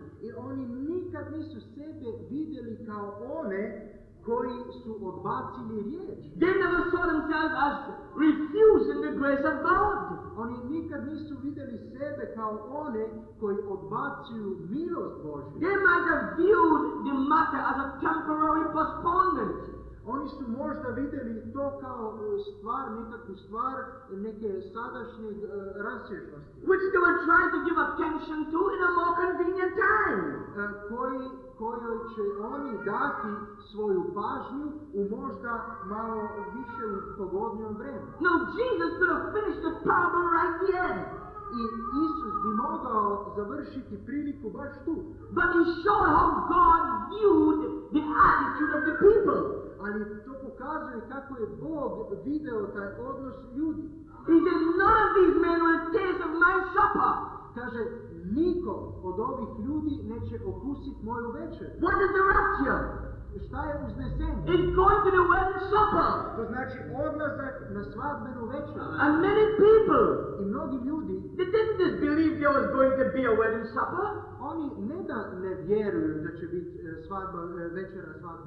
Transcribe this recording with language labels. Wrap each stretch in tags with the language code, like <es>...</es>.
<hr>I oni nikad nisu sebe vidjeli kao one koji su odbacili riječ.</hr> <en>They never saw themselves as refusing the grace of God.</en> <hr>Oni nikad nisu vidjeli sebe kao one koji odbacuju milost Božju.</hr> <en>They might have viewed the matter as a temporary postponement.</en> <hr>Oni su možda vidjeli to kao stvar, nekakvu stvar, neke sadašnje rasježnosti.</hr> <en>Which they were trying to give attention to in a more convenient time.</en> <hr>Kojoj će oni dati svoju pažnju u možda malo više u pogodnijom vremenu.</hr> <en>No, Jesus could have finished the parable right here.</en> <hr>I Isus bi mogao završiti priliku baš tu.</hr> <en>But he showed how God viewed the attitude of the people.</en> <hr>Ali to pokazuje kako je Bog video taj odnos ljudi.</hr> <en>He said, none of these men will taste of my supper.</en> <hr>Kaže, niko od ovih ljudi neće okusit moju večer.</hr> <en>What is the rapture?</en> <hr>Šta je uznesenje?</hr> <en>It's going to the wedding supper.</en> <hr>To znači odlazak na svadbenu večer.</hr> <en>And many people.</en> <hr>I mnogi ljudi.</hr> <en>They didn't just believe there was going to be a wedding supper.</en> <hr>Oni ne da ne vjeruju da će biti svadba, večera svadba.</hr>